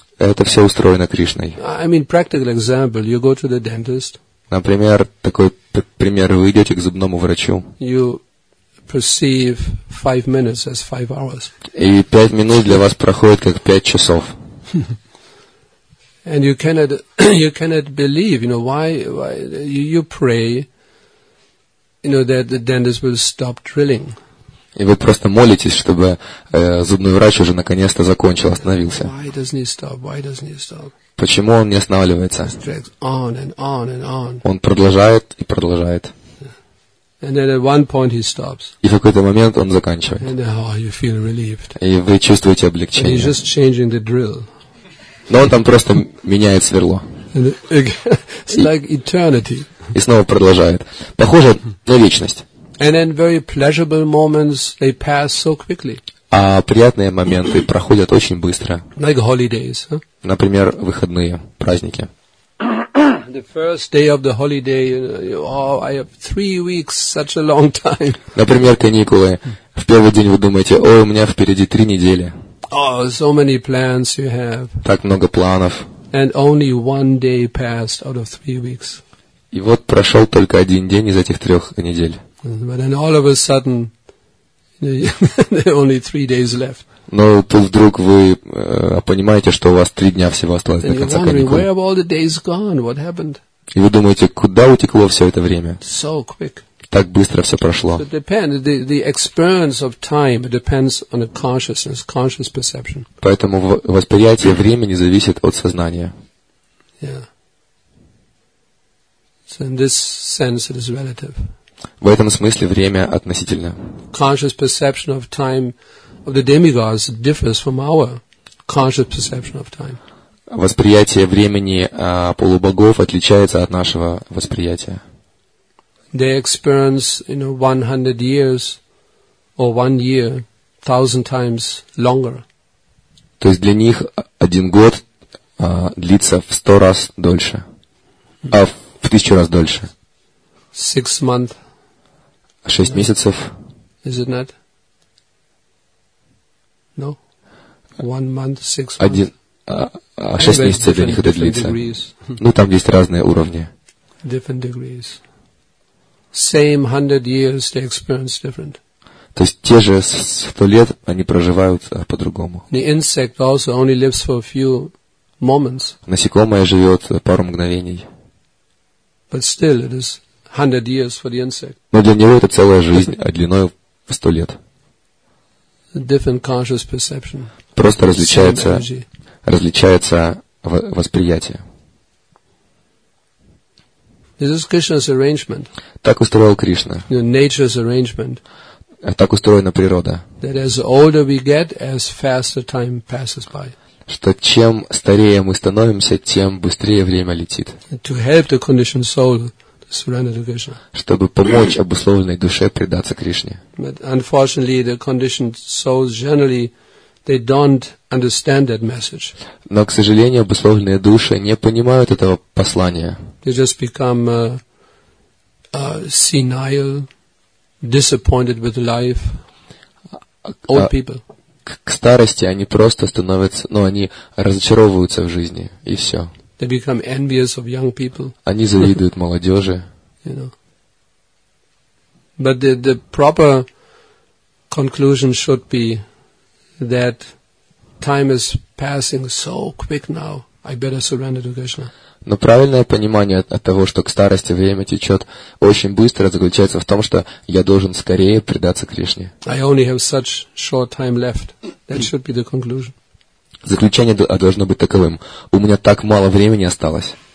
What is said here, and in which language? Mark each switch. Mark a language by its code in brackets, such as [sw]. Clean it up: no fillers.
[ru] Это все устроено Кришной. [en] I mean, practical example. You go to the dentist. [ru] Например, такой пример. Вы идете к зубному врачу. [en] You perceive 5 minutes as 5 hours. [ru] И 5 минут для вас проходит как 5 часов. [en] And you cannot believe, you know, why you pray, you know, that the dentist will stop drilling. [ru] И вы просто молитесь, чтобы зубной врач уже наконец-то закончил, остановился. [en] Why doesn't he stop? Why doesn't he stop? [ru] Почему он не останавливается? [en] He drags on and on and on. [ru] Он продолжает и продолжает. [en] And then at one point he stops. [ru] И в какой-то момент он заканчивает. [en] And you feel relieved. [ru] И вы чувствуете облегчение. [en] He's just changing the drill. [ru] Но он там просто меняет сверло. [en] It's like eternity. [ru] И снова продолжает. Похоже на вечность. [en] And then very pleasurable moments, they pass so quickly. [ru] А приятные моменты проходят очень быстро. [en] Like holidays, huh? [ru] Например, выходные, праздники. [en] The first day of the holiday, you know, oh, I have 3 weeks, such a long time. Например, каникулы. [ru] В первый день вы думаете, о, у меня впереди 3 недели. [en] Oh, so many plans you have. [ru] Так много планов. [en] And only one day passed out of 3 weeks. [ru] И вот прошел только один день из этих 3 недель. [en] But then all of a sudden, only 3 days left. [ru] Но тут вдруг вы понимаете, что у вас 3 дня всего осталось до конца каникул. [en] Where have all the days gone? What happened? [ru] И вы думаете, куда утекло все это время? [en] So quick. [ru] Так быстро все прошло. [en] So it depends. The experience of time depends on a consciousness, conscious perception. [ru] Поэтому восприятие времени зависит от сознания. [en] Yeah. So in this sense, it is relative. [ru] В этом смысле время относительно. [en] Conscious perception of time of the demigods differs from our conscious perception of time. [ru] Восприятие времени полубогов отличается от нашего восприятия. [en] They experience, you know, 100 years or 1 year 1,000 times longer. [ru] То есть для них один год длится в 100 раз дольше, в 1000 раз дольше. [en] 6 months. [ru] 6 месяцев. [en] Is it not? No. 1 month, 6 months. [ru] Шесть месяцев для них это длится. [en] Degrees. [ru] Ну, там есть разные уровни. [en] Different degrees. Same 100 years, they experience different. [ru] То есть те же 100 лет они проживают по-другому. [en] The insect also only lives for a few moments. [ru] Насекомое живет пару мгновений. [en] But still, it is 100 years for the insect. [ru] Но для него это целая жизнь, а длиной в 100 лет. [en] Different conscious perception. [ru] Просто различается. Различается восприятие. [en] This is Krishna's arrangement. [ru] Так устроил Кришна. [en] The nature's arrangement. [ru] Так устроена природа. [en] That as older we get, as faster time passes by. [ru] Что чем старее мы становимся, тем быстрее время летит. [en] To help the conditioned soul to surrender to Krishna. [ru] Чтобы помочь обусловленной душе предаться Кришне. [en] But unfortunately, the conditioned souls generally they don't understand that message. [ru] Но, к сожалению, обусловленные души не понимают этого послания. [en] They just become senile, disappointed with life, old people. [ru] К старости они просто становятся, ну, они разочаровываются в жизни, и все. [en] They become envious of young people. [ru] Они завидуют молодежи. [en] You know. But the proper conclusion should be that time is passing so quick now. I better surrender to Krishna. [ru] Но правильное понимание от того, что к старости время течет очень быстро, заключается в том, что я должен скорее предаться Кришне. [en] I only have such short time left. That should be the conclusion. [ru] Заключение должно быть таковым: у меня так мало времени осталось.